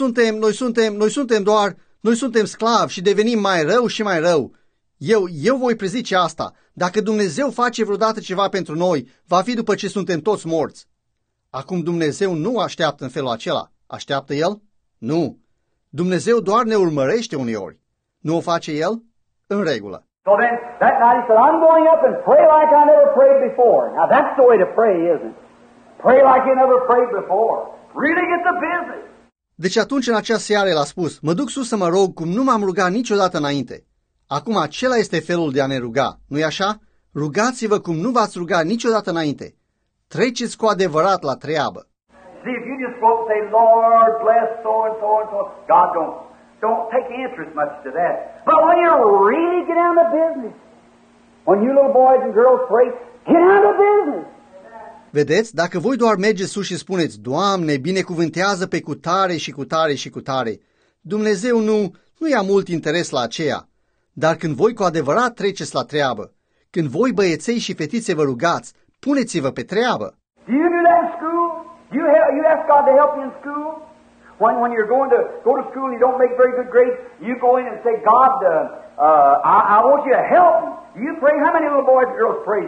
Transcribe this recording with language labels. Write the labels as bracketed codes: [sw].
[ro] Noi suntem sclavi și devenim mai rău și mai rău. Eu voi prezice asta. Dacă Dumnezeu face vreodată ceva pentru noi, va fi după ce suntem toți morți. Acum Dumnezeu nu așteaptă în felul acela. Așteaptă El? Nu. Dumnezeu doar ne urmărește uneori. Nu o face El? În regulă. [en] So then, that night he said, I'm going up and pray like I never prayed before. Now that's the way to pray, isn't it? Pray like you never prayed before. Really get the business. [ro] Deci atunci în acea seară el a spus, mă duc sus să mă rog cum nu m-am rugat niciodată înainte. Acum acela este felul de a ne ruga, nu-i așa? Rugați-vă cum nu v-ați rugat niciodată înainte. Treceți cu adevărat la treabă. [en] See, if you just go and say, Lord, bless so and so and so, God don't take interest much to that. But when you really get down to business, when you little boys and girls pray, get down to business. [ro] Vedeți, dacă voi doar mergeți sus și spuneți, Doamne, binecuvântează pe cutare și cutare și cutare, Dumnezeu nu ia mult interes la aceea. Dar când voi cu adevărat treceți la treabă, când voi băieței și fetițe vă rugați, puneți-vă pe treabă. [en] Do you do that in school? Do you ask God to help you in school? When you're going to go to school and you don't make very good grades, you go in and say, God, I want you to help me. Do you pray? How many little boys and girls pray?